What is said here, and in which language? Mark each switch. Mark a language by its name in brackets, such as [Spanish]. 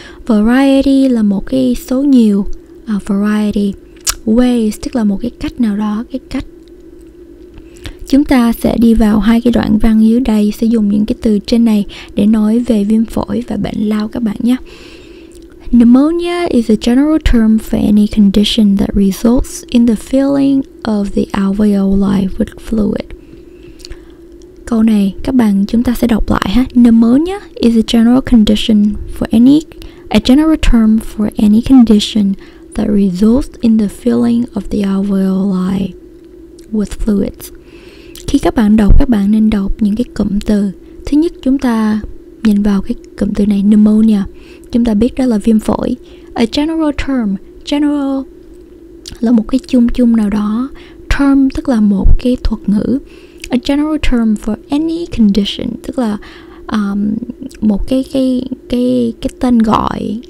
[Vietnamese] Variety là một cái số nhiều. Variety. Ways tức là một cái cách nào đó, cái cách. Chúng ta sẽ đi vào hai cái đoạn văn dưới đây, sẽ dùng những cái từ trên này để nói về viêm phổi và bệnh lao các bạn nhé. [English] Pneumonia is a general term for any condition that results in the filling of the alveoli with fluid. [Vietnamese] Câu này các bạn chúng ta sẽ đọc lại ha. [English] Pneumonia is a general condition for any a general term for any condition that results in the filling of the alveoli with fluids. [Vietnamese] Khi các bạn đọc, các bạn nên đọc những cái cụm từ. Thứ nhất, chúng ta nhìn vào cái cụm từ này, pneumonia. Chúng ta biết đó là viêm phổi. [English] A general term, [Vietnamese] general là một cái chung chung nào đó. Term tức là một cái thuật ngữ. [English] A general term for any condition [Vietnamese] tức là một cái tên gọi.